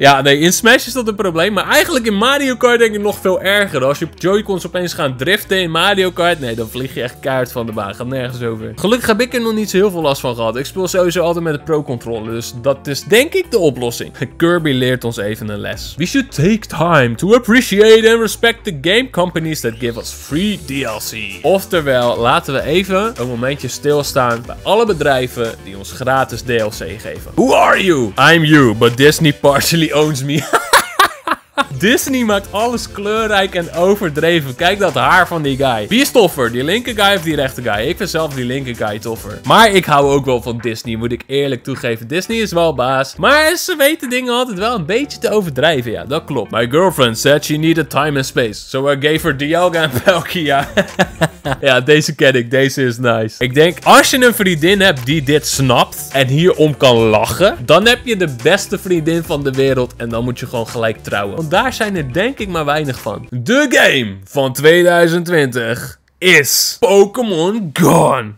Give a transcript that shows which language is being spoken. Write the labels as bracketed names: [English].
[Dutch] Ja, nee, in Smash is dat een probleem. Maar eigenlijk in Mario Kart denk ik nog veel erger. Als je Joy-Cons opeens gaan driften in Mario Kart... Nee, dan vlieg je echt keihard van de baan. Gaat nergens over. Gelukkig heb ik er nog niet zo heel veel last van gehad. Ik speel sowieso altijd met de pro-controller. Dus dat is denk ik de oplossing. Kirby leert ons even een les. [English] We should take time to appreciate and respect the game companies that give us free DLC. [Dutch] Oftewel, laten we even een momentje stilstaan bij alle bedrijven die ons gratis DLC geven. [English] Who are you? I'm you. But Disney partially owns me. [Dutch] Disney maakt alles kleurrijk en overdreven. Kijk dat haar van die guy. Wie is toffer? Die linker guy of die rechter guy? Ik vind zelf die linker guy toffer. Maar ik hou ook wel van Disney, moet ik eerlijk toegeven. Disney is wel baas. Maar ze weten dingen altijd wel een beetje te overdrijven. Ja, dat klopt. [English] My girlfriend said she needed time and space. So I gave her Dialga [Dutch] en Palkia. Ja, deze ken ik. Deze is nice. Ik denk, als je een vriendin hebt die dit snapt en hierom kan lachen, dan heb je de beste vriendin van de wereld en dan moet je gewoon gelijk trouwen. Want daar zijn er denk ik maar weinig van. De game van 2020 is Pokémon Gun.